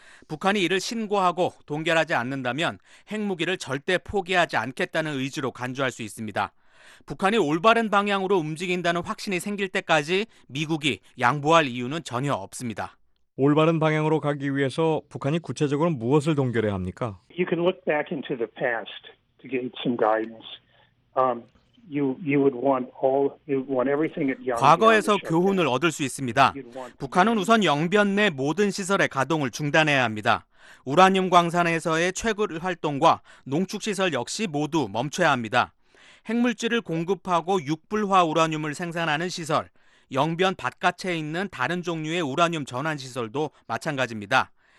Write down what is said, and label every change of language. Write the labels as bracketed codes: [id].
[ko] 북한이 이를 신고하고 동결하지 않는다면 핵무기를 절대 포기하지 않겠다는 의지로 간주할 수 있습니다. 북한이 올바른 방향으로 움직인다는 확신이 생길 때까지 미국이 양보할 이유는 전혀 없습니다. 올바른 방향으로 가기 위해서 북한이 구체적으로 무엇을 동결해야 합니까? [en] You can look back into the past to get some guidance. You would want everything at Yongbyon. [ko] 과거에서 교훈을 얻을 수 있습니다. 북한은 우선 영변 내 모든 시설의 가동을 중단해야 합니다. 우라늄 광산에서의 채굴 활동과 농축 시설 역시 모두 멈춰야 합니다. 핵물질을 공급하고 육불화 우라늄을 생산하는 시설, 영변 바깥에 있는 다른 종류의 우라늄 전환 시설도 마찬가지입니다.